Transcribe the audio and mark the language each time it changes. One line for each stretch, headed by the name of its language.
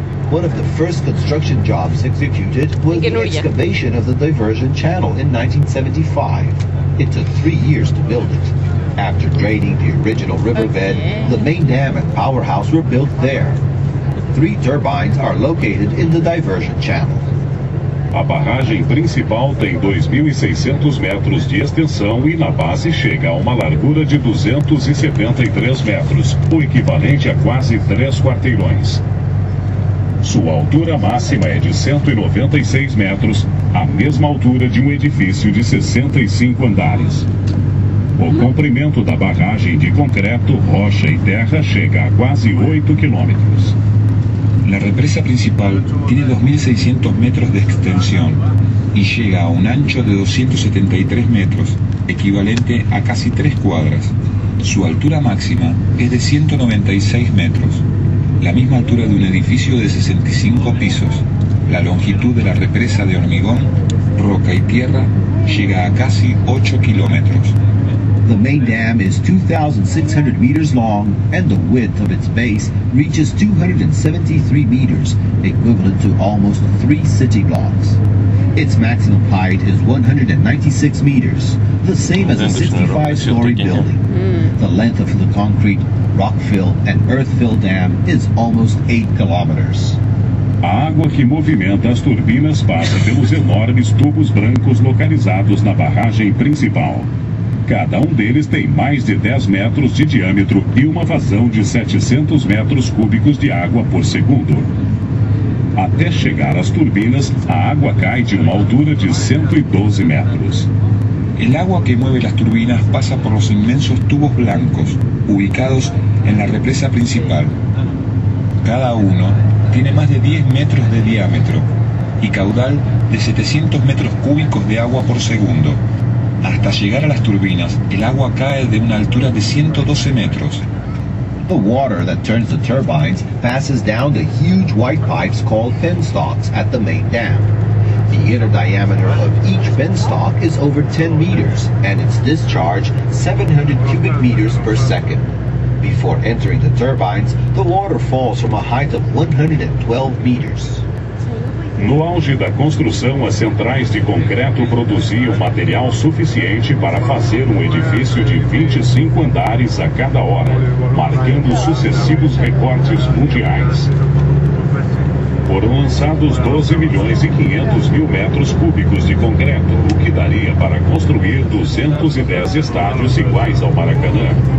English: One of the first construction jobs executed was the excavation of the diversion channel in 1975. It took 3 years to build it. After draining the original riverbed, the main dam and powerhouse were built there. Three turbines are located in the diversion channel.
Portuguese: A barragem principal tem 2.600 metros de extensão e na base chega a uma largura de 273 metros, o equivalente a quase 3 quarteirões. Sua altura máxima é de 196 metros, a mesma altura de um edifício de 65 andares. O comprimento da barragem de concreto, rocha e terra chega a quase 8 quilômetros.
Spanish: La represa principal tiene 2.600 metros de extensión y llega a un ancho de 273 metros, equivalente a casi 3 cuadras. Su altura máxima es de 196 metros, la misma altura de un edificio de 65 pisos. La longitud de la represa de hormigón, roca y tierra llega a casi 8 kilómetros.
English: The main dam is 2,600 meters long, and the width of its base reaches 273 meters, equivalent to almost 3 city blocks. Its maximum height is 196 meters, the same as a 65-story building. The length of the concrete, rock fill, and earth fill dam is almost 8 kilometers.
Portuguese: A água que movimenta as turbinas passa pelos enormes tubos brancos localizados na barragem principal. Cada um deles tem mais de 10 metros de diâmetro e uma vazão de 700 metros cúbicos de água por segundo. Até chegar às turbinas, a água cai de uma altura de 112 metros.
Spanish: El agua que mueve las turbinas pasa por los inmensos tubos blancos ubicados en la represa principal. Cada uno tiene más de 10 metros de diámetro y caudal de 700 metros cúbicos de agua por segundo. Hasta llegar a las turbinas, el agua cae de una altura de 112 metros.
English: The water that turns the turbines passes down the huge white pipes called penstocks at the main dam. The inner diameter of each penstock is over 10 meters and its discharge 700 cubic meters per second. Before entering the turbines, the water falls from a height of 112 meters.
Portuguese: No auge da construção, as centrais de concreto produziam material suficiente para fazer um edifício de 25 andares a cada hora, marcando sucessivos recordes mundiais. Foram lançados 12 milhões e 500 mil metros cúbicos de concreto, o que daria para construir 210 estádios iguais ao Maracanã.